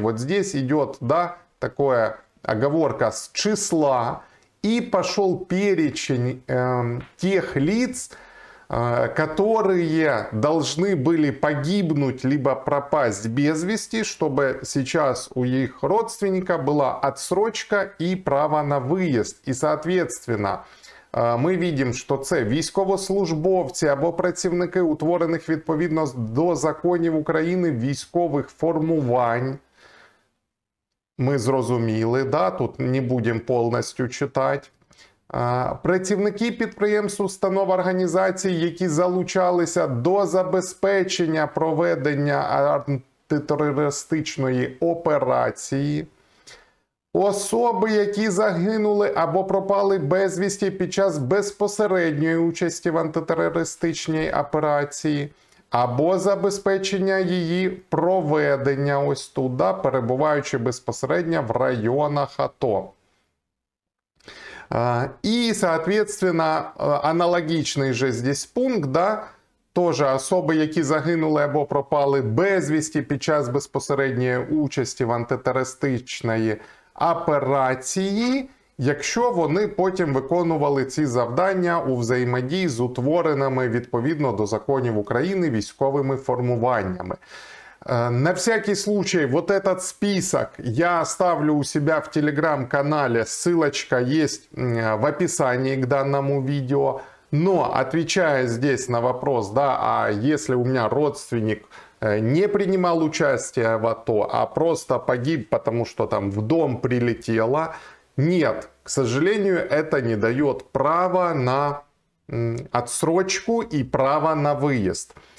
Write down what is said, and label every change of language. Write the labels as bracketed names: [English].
[Russian] Вот здесь идет, да, такая оговорка с числа, и пошел перечень тех лиц, которые должны были погибнуть либо пропасть без вести, чтобы сейчас у их родственника была отсрочка и право на выезд. И, соответственно, мы видим, что [Ukrainian] це військовослужбовці або працівники, утворених відповідно до законів України військових формувань. [Russian] Мы зрозуміли, да, тут не будем полностью читать. [Ukrainian] Працівники підприємств, установ, організацій, які залучалися до забезпечення проведення антитерористичної операції, особи, які загинули або пропали без вісті під час безпосередньої участі в антитерористичній операції, або забезпечення її проведення, ось тут, да, перебуваючи безпосередньо в районах АТО. [Russian] И, соответственно, аналогичный же здесь пункт, да, тоже [Ukrainian] особи, які загинули або пропали без вести під час безпосередньої участі в антитерористичної операції, якщо вони потім виконували ці завдання у взаємодії з утвореними відповідно до законів України військовими формуваннями. [Russian] На всякий случай, вот этот список я оставлю у себя в телеграм-канале, ссылочка есть в описании к данному видео. Но, отвечая здесь на вопрос, да, а если у меня родственник не принимал участие в АТО, а просто погиб, потому что там в дом прилетело, нет, к сожалению, это не дает права на отсрочку и права на выезд.